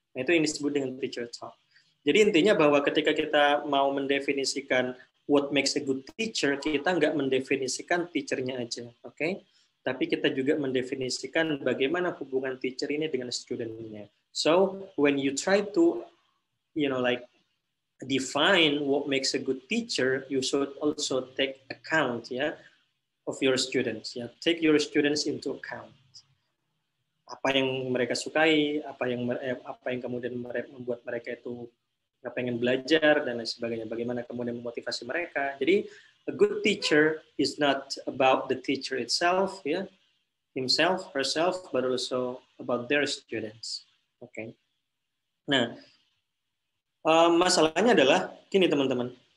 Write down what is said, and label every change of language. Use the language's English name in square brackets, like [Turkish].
[Indonesian] Nah, itu yang disebut dengan teacher talk. Jadi intinya bahwa ketika kita mau mendefinisikan [English] what makes a good teacher, [Indonesian] kita nggak mendefinisikan teachernya aja, oke, okay? Tapi kita juga mendefinisikan bagaimana hubungan teacher ini dengan student-nya. [English] So when you try to, you know, like define what makes a good teacher, you should also take account, yeah, of your students. Yeah, take your students into account. [Indonesian] Apa yang mereka sukai, apa yang kemudian membuat mereka itu nggak pengen belajar dan lain sebagainya. Bagaimana kemudian memotivasi mereka. Jadi [English] a good teacher is not about the teacher itself, yeah, himself, herself, but also about their students. Oke. Okay. [Indonesian] Nah, masalahnya adalah gini teman-teman.